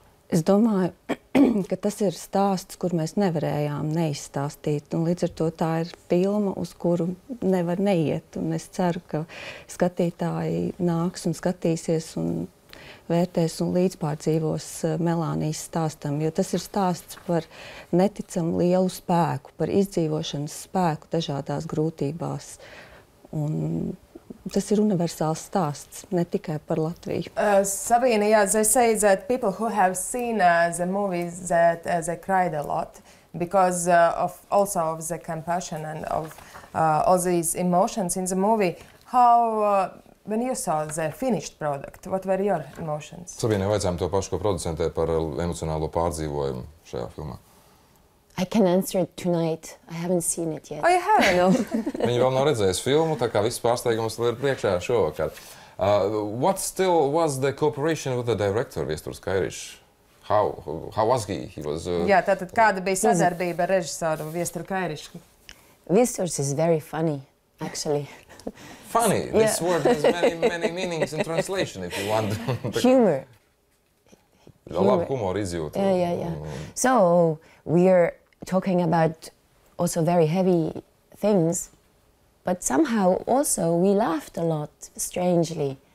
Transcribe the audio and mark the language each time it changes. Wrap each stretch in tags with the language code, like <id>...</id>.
<lv>Es domāju, ka tas ir stāsts, kur mēs nevarējām neizstāstīt, un līdz ar to tā ir filma, uz kuru nevar neiet, un es ceru, ka skatītāji nāks un skatīsies un vērtēs un līdzpārdzīvos Melānijas stāstam, jo tas ir stāsts par neticamu lielu spēku, par izdzīvošanas spēku dažādās grūtībās, un tas ir universāls stāsts, ne tikai par Latviju.</lv> <en>Sabine, yeah, they say that people who have seen the movies that they cried a lot because of also of the compassion and of all these emotions in the movie. How when you saw the finished product, what were your emotions?</en> <lv>Sabine, vajadzējām to pašu, ko producentē par emocionālo pārdzīvojumu šajā filmā.</lv> <en>I can answer it tonight. I haven't seen it yet. Oh, you have? No.</en> <lv>Viņi vēl nav redzējis filmu, tā kā viss pārsteigums ir priekšā šovakar.</lv> <en>What still was the cooperation with the director, Viesturs Kairiš? How was he? He was,</en> <lv>Jā, tātad kāda bija sadarbība ar režisoru Viesturu Kairiš?</lv> <en>Viesturs is very funny, actually. Funny? This yeah. word has many meanings in translation, if you want. Humor.</en> <lv>Labu humoru izjūtu.</lv> <en>Yeah. So, we are talking about also very heavy things, but somehow also we laughed a lot, strangely.</en>